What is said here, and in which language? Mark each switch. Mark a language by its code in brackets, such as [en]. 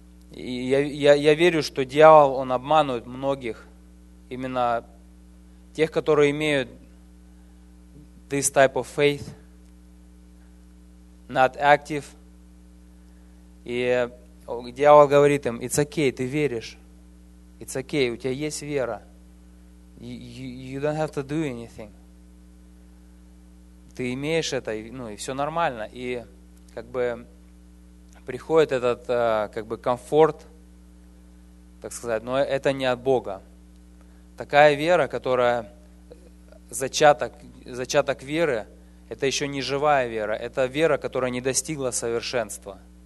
[ru] Я верю, что дьявол, он обманывает многих, именно тех, которые имеют [en] this type of faith, not active. [ru] И дьявол говорит им, [en] it's okay, [ru] ты веришь. [en] It's okay, [ru] у тебя есть вера. [en] You don't have to do anything. [ru] Ты имеешь это, и все нормально. И как бы приходит этот как бы комфорт, так сказать, но это не от Бога. Такая вера, которая зачаток веры, это еще не живая вера, это вера, которая не достигла совершенства.